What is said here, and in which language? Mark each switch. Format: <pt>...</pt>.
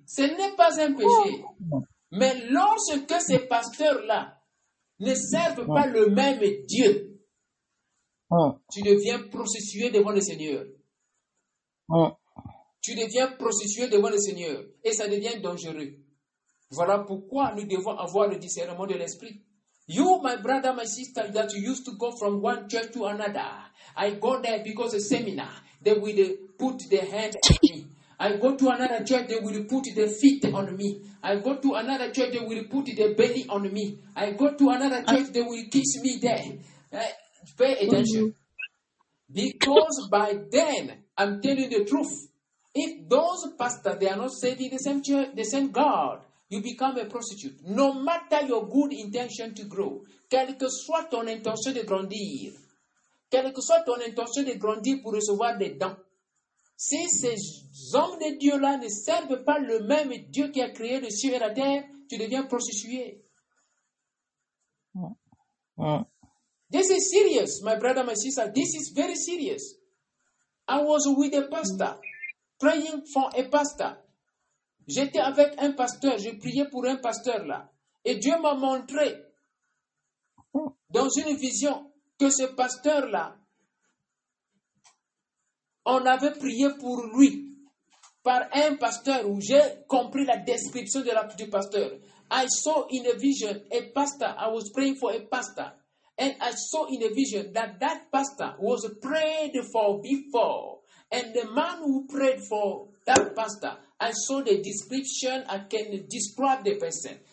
<fr>Ce n'est pas un péché. Mais lorsque ces pasteurs-là ne servent pas le même Dieu, tu deviens prostitué devant le Seigneur. Tu deviens prostitué devant le Seigneur et ça devient dangereux. Voilà pourquoi nous devons avoir le discernement de l'esprit.</fr> <en>You, my brother, my sister, that you used to go from one church to another. I go there because of a seminar. They will put their hand on me. I go to another church, they will put their feet on me. I go to another church, they will put their belly on me. I go to another church, they will kiss me there. Pay attention. Because by then, I'm telling the truth. If those pastors, they are not serving the same church, the same God, you become a prostitute. No matter your good intention to grow,</en> <fr>quelle que soit ton intention de grandir, quelle que soit ton intention de grandir pour recevoir des dons, si ces hommes de Dieu-là ne servent pas le même Dieu qui a créé le ciel et la terre, tu deviens prostitué.</fr> <en>This is serious, my brother, my sister. This is very serious. I was with a pastor, praying for a pastor.</en> <fr>J'étais avec un pasteur, je priais pour un pasteur là. Et Dieu m'a montré dans une vision que ce pasteur là, on avait prié pour lui par un pasteur où j'ai compris la description de du pasteur.</fr> <en>I saw in a vision a pastor, I was praying for a pastor. And I saw in a vision that that pastor was prayed for before. And the man who prayed for that pastor, I saw the description, I can describe the person.</en>